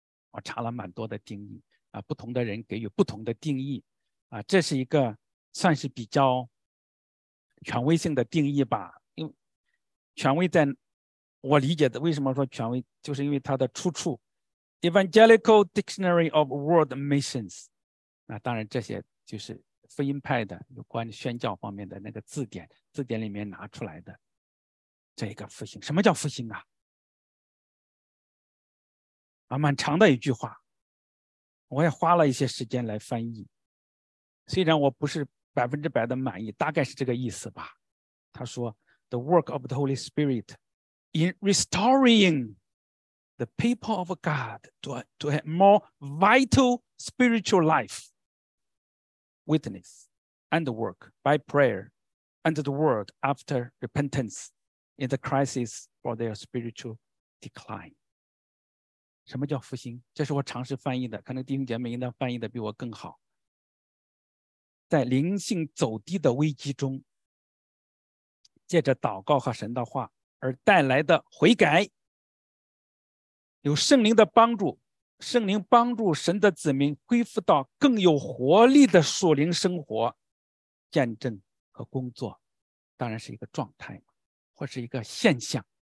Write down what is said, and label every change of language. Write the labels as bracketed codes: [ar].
[zh] 我查了蛮多的定义啊，不同的人给予不同的定义啊，这是一个算是比较权威性的定义吧，因为权威在我理解的，为什么说权威，就是因为它的出处 Evangelical Dictionary of World Missions, 那当然这些就是福音派的有关宣教方面的那个字典里面拿出来的这个复兴。什么叫复兴啊？啊，蛮长的一句话，我也花了一些时间来翻译，虽然我不是100%的满意，大概是这个意思吧。他说 [en] The work of the Holy Spirit in restoring the people of God to a more vital spiritual life, witness and work by prayer and the word after repentance in the crisis for their spiritual decline. [zh] 什么叫复兴？这是我尝试翻译的，可能弟兄姐妹应当翻译的比我更好。在灵性走低的危机中，借着祷告和神的话而带来的悔改，有圣灵的帮助，圣灵帮助神的子民恢复到更有活力的属灵生活、见证和工作，当然是一个状态或是一个现象。